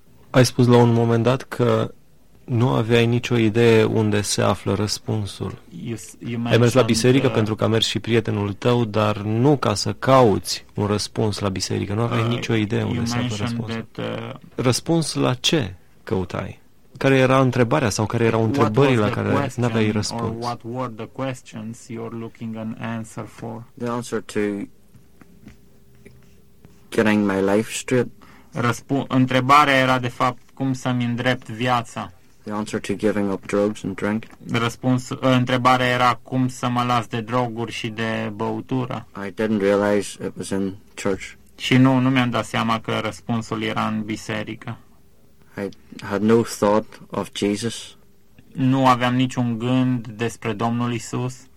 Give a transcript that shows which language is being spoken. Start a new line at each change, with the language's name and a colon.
Romanian: Ai spus la un moment dat că nu aveai nicio idee unde se află răspunsul. Ai mers la biserică pentru că a mers și prietenul tău, dar nu ca să cauți un răspuns la biserică, nu aveai nicio idee unde se află răspunsul. Răspuns la ce căutai? Care era întrebarea sau care erau întrebările la care n-aveai răspuns?
English: What were the questions you're looking an answer for? The answer to getting my life straight.
Romanian: Întrebarea era de fapt cum să-mi îndrept viața.
English: The answer to giving up drugs and drink.
Romanian: Întrebarea era cum să mă las de droguri și de băutură.
English: I didn't realize it was in church.
Romanian: Și nu mi-am dat seama că răspunsul era în biserică.
English: I had no thought of Jesus.
Romanian: nu aveam niciun gând despre Domnul Iisus.